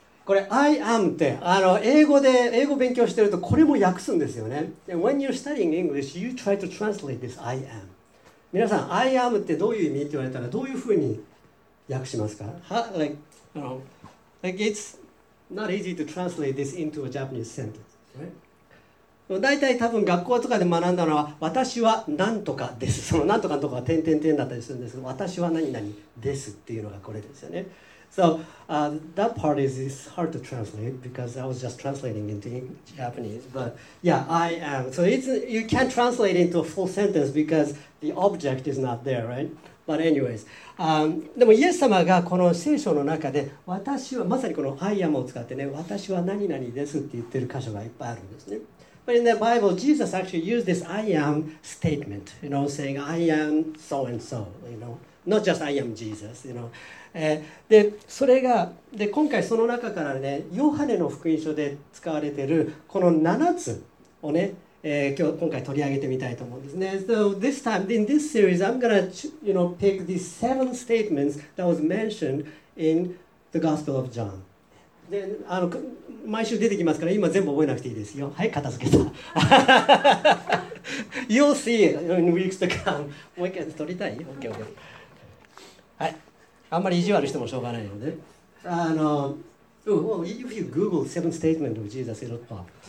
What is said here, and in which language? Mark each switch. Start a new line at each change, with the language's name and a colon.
Japanese: これ、I am って、英語で、英語勉強してると、これも訳すんですよね。
English: When you're studying English, you try to translate this I am.
Japanese: 皆さん、I am ってどういう意味って言われたら、どういうふうに訳しますか
English: How, like, you know, like it's,Not easy to translate this into a Japanese sentence, right?
Japanese: だいたい多分学校とかで学んだのは私は何とかです。その何とかのところが点点点だったりするんですけど、私は何々ですっていうのがこれですよね。
English: So, that part is hard to translate because I was just translating into Japanese. But yeah, I am. So it's, you can't translate into a full sentence because the object is not there, right? But anyways,
Japanese: でもイエス様がこの聖書の中で私はまさにこの I am を使ってね、私は何々ですって言ってる箇所がいっぱいあるんですね。
English: But in the Bible, Jesus actually used this I am statement, you know, saying I am so and so, you know, not just I am Jesus, you know.
Japanese: で、それが、で、今回その中からね、ヨハネの福音書で使われてるこの7つをね、今回取り上げてみたいと思うんですね。
English: So this time, in this series, I'm gonna, you know, pick these seven statements that was mentioned in the Gospel of John.
Japanese: で、毎週出てきますから、今全部覚えなくていいですよ。はい、片付けた。
English: You'll see it in weeks to come.
Japanese: もう一回取りたい ?
English: OK, OK.
Japanese: はい。あんまり意地悪してもしょうがないので。
English: If you Google seven statements of Jesus, it'll pop.